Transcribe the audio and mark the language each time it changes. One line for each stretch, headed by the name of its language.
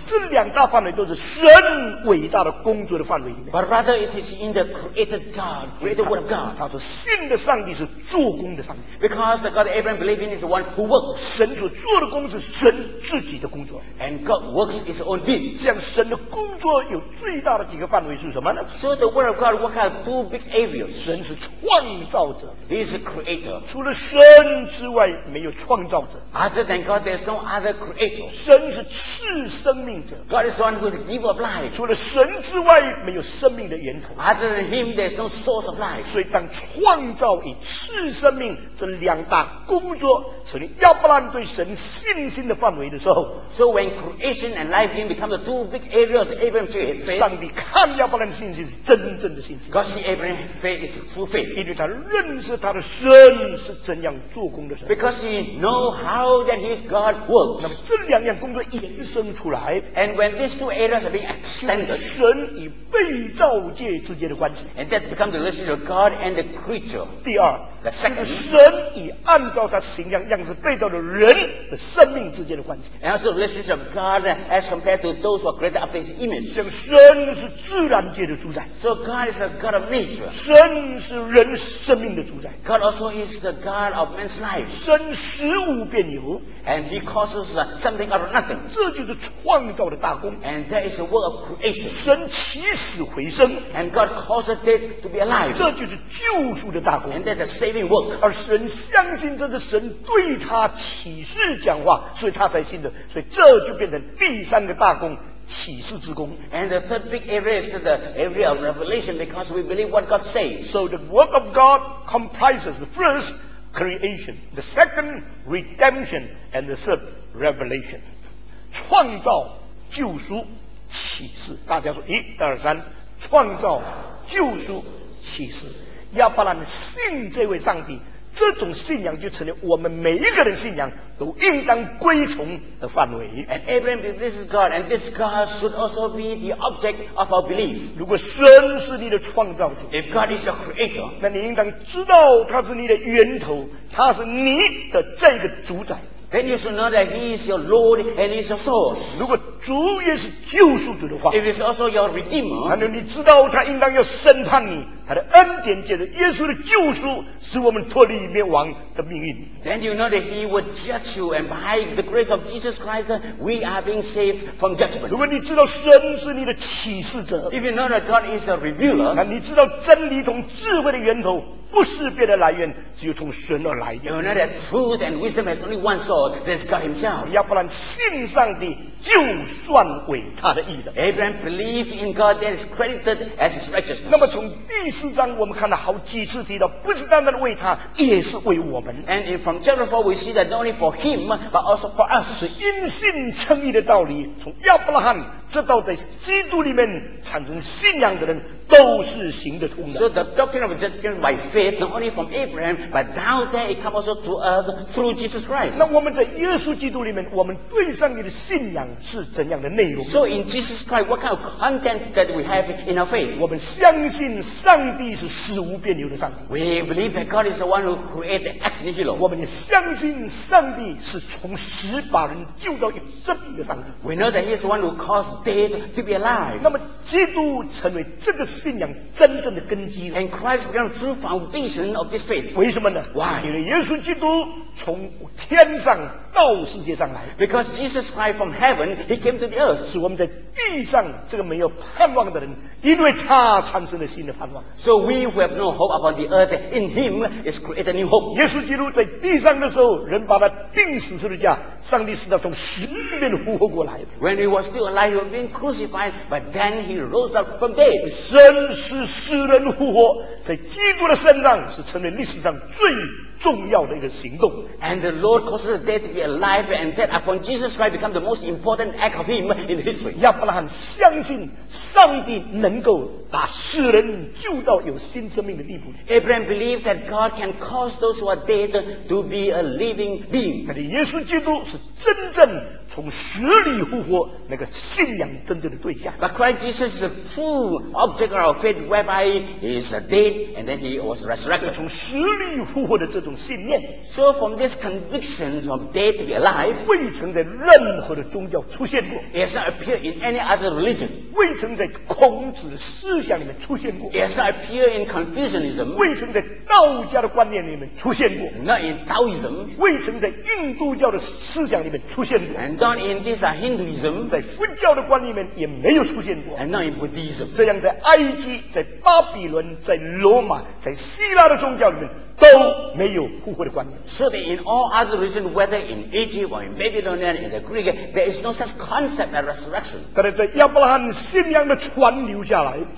Chinese: 这两大范围都是神伟大的工作的范围里面。
English: But rather it is in the created God, created word of God.
Chinese: 他说信的上帝是做工的上帝。
English: Because the God that Abraham believed in is the one who works.
Chinese: 神所做的工是神自己的工作。
English: And God works his own deed.
Chinese: 这样神的工作有最大的几个范围是什么呢
English: ？So the word of God, what kind of two big areas?
Chinese: 神是创造者。
English: He is a creator.
Chinese: 除了神之外，没有创造者。
English: Other than God, there's no other creator.
Chinese: 神是赐生命者。
English: God is the one who is giver of life.
Chinese: 除了神之外，没有生命的源头。
English: Other than Him, there's no source of life.
Chinese: 所以当创造与赐生命这两大工作成为亚伯兰对神信心的范围的时候
English: ，So when creation and life become the two big areas of Abraham's faith,
Chinese: 上帝看亚伯兰信心是真正的信心。
English: God see Abraham's faith is true faith,
Chinese: 因为他认识他的神是怎样做工的神。
English: Because he know how that his God works.
Chinese: 那么这两样工作延伸出来
English: ，And when these two areas are being extended,
Chinese: 神与被造界之间的关系
English: ，And that become the relationship of God and the creature.
Chinese: 第二
English: ，The second,
Chinese: 神与按照他形象样子被造的人的生命之间的关系。
English: And also the relationship of God as compared to those who are created after His image.
Chinese: 像神是自然界的主宰。
English: So God is a God of nature.
Chinese: 神是人生命的主宰。
English: God also is the God of man's life.
Chinese: 神使物变有。
English: And He causes something out of nothing.
Chinese: 这就是创造的大功。
English: And that is the work of creation.
Chinese: 神起死回生。
English: And God causes dead to be alive.
Chinese: 这就是救赎的大功。
English: And that's a saving work.
Chinese: 而神相信这是神对他启示讲话，所以他才信的。所以这就变成第三个大功。启示之功
English: and the third big area is the area of revelation because we believe what God says. So the work of God comprises the first creation, the second redemption, and the third revelation.
Chinese: 创造、救赎、启示，大家说一、二、三，创造、救赎、启示。亚伯兰信这位上帝，这种信仰就成了我们每一个人信仰。都应当归从的范围。
English: And Abraham believes this is God, and this God should also be the object of our belief.
Chinese: 如果神是你的创造主
English: ，If God is your creator,
Chinese: 那你应当知道他是你的源头，他是你的这个主宰。
English: Then you should know that He is your Lord and He is your source.
Chinese: 如果主也是救赎主的话
English: ，If He is also your Redeemer,
Chinese: 那么你知道他应当要审判你。他的恩典借着耶稣的救赎使我们脱离灭亡的命运
English: Then you know that he would judge you and by the grace of Jesus Christ we are being saved from judgment
Chinese: 如果你知道神是你的启示者
English: If you know that God is a revealer
Chinese: 那你知道真理同智慧的源头不是别的来源只有从神而来的
English: You know that truth and wisdom has only one source that's God himself
Chinese: 亚伯兰信上帝就算为他的义的。
English: Abraham believed in God and is credited as his righteousness.
Chinese: 那么从第四章我们看到好几次提到，不是单单为他，也是为我们。
English: And from chapter 4 we see that not only for him but also for us.
Chinese: 是因信称义的道理，从亚伯拉罕直到在基督里面产生信仰的人，都是行得通的。
English: So the doctrine of justification by faith not only from Abraham but down there it comes also to us through Jesus Christ.
Chinese: 那我们在耶稣基督里面，我们对上帝的信仰是怎样的内容？
English: So in Jesus Christ, what kind of content that we have in our faith?
Chinese: 我们相信上帝是事无变有的上帝。
English: We believe that God is the one who created ex nihilo.
Chinese: 我们相信上帝是从死把人救到有生命的上帝。
English: We know that He is the one who caused dead to be alive.
Chinese: 那么基督成为这个信仰真正的根基。
English: And Christ became the true foundation of this faith.
Chinese: 为什么呢？
English: Why?
Chinese: 因为耶稣基督从天上到世界上来。
English: Because Jesus Christ from heaven, He came to the earth.
Chinese: 使我们在地上这个没有盼望的人，因为他产生了新的盼望。
English: So we who have no hope upon the earth, in Him is created new hope.
Chinese: 耶稣基督在地上的时候，人把他钉死十字架，上帝使他从死里面复活过来。
English: When He was still alive, He was being crucified, but then He rose up from death.
Chinese: 神使世人复活，在基督的身上是成为历史上最重要的一个行动。
English: And the Lord caused the dead to be alive and that upon Jesus Christ become the most important act of him in history.
Chinese: 亚伯拉罕相信上帝能够把世人救到有新生命的地步。
English: Abraham believed that God can cause those who are dead to be a living being.
Chinese: 但是耶稣基督是真正从死里复活那个信仰真正的对象。
English: But Christ Jesus is the true object of our faith whereby he is dead and then he was resurrected.
Chinese: 从死里复活的这种信念。
English: So from this conviction of dead to be alive,
Chinese: 未曾在任何的宗教出现过。
English: It has not appeared in any other religion.
Chinese: 未曾在孔子思想里面出现过。
English: It has not appeared in Confucianism.
Chinese: 未曾在道家的观念里面出现过。
English: Not in Taoism.
Chinese: 未曾在印度教的思想里面出现过。
English: And not in this Hinduism.
Chinese: 在佛教的观念里面也没有出现过。
English: And not in Buddhism.
Chinese: 这样在埃及、在巴比伦、在罗马、在希腊的宗教里面都没有复活的观念。
English: So that in all other regions, whether in Egypt or in Babylon and in the Greek, there is no such concept of resurrection.
Chinese: 但是在亚伯拉罕信仰的传流下来。